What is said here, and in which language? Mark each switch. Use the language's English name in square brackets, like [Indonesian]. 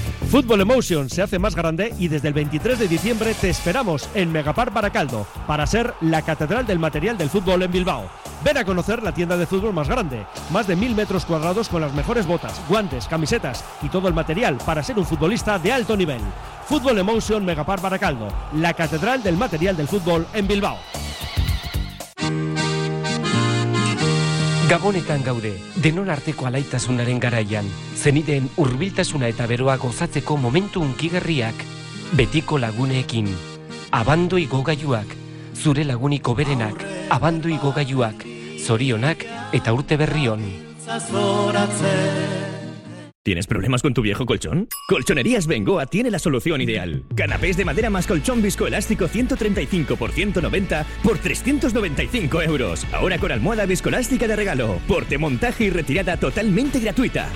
[Spanish] Fútbol Emotion se hace más grande y desde el 23 de diciembre te esperamos en Megapar Baracaldo para ser la catedral del material del fútbol en Bilbao. Ven a conocer la tienda de fútbol más grande, más de 1,000 metros cuadrados con las mejores botas, guantes, camisetas y todo el material para ser un futbolista de alto nivel. Fútbol Emotion Megapar Baracaldo, la catedral del material del fútbol en Bilbao. [Basque] Gabonetan gaude, denon arteko alaitasunaren garaian, zeniden hurbiltasuna eta beroa gozatzeko momentu unkigarriak, betiko laguneekin, abando igogailuak, zure lagunik hoberenak, abando igogailuak, zorionak eta urte berri on. [Spanish] ¿Tienes problemas con tu viejo colchón? Colchonerías Bengoa tiene la solución ideal. Canapés de madera más colchón viscoelástico 135x190 por 395 euros. Ahora con almohada viscoelástica de regalo. Porte, montaje y retirada totalmente gratuita.